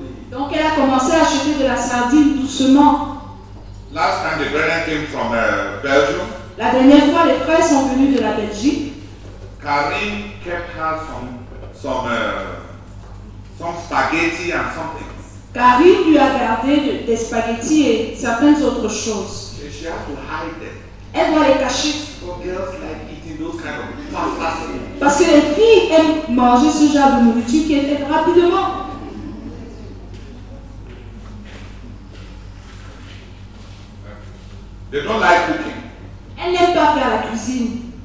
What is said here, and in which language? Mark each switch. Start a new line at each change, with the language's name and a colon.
French: Donc elle a commencé à acheter de la sardine doucement. La dernière fois, les frères sont venus de la Belgique.
English: Karine kept her some spaghetti and some things.
French: Karine lui a gardé des spaghettis et certaines autres choses.
English: She has to hide them.
French: Elle doit les cacher.
English: For girls like eating those kind of fast food.
French: Parce que les filles aiment manger ce genre de nourriture qui est faite rapidement.
English: They don't like cooking.
French: Elles n'aiment pas faire la cuisine.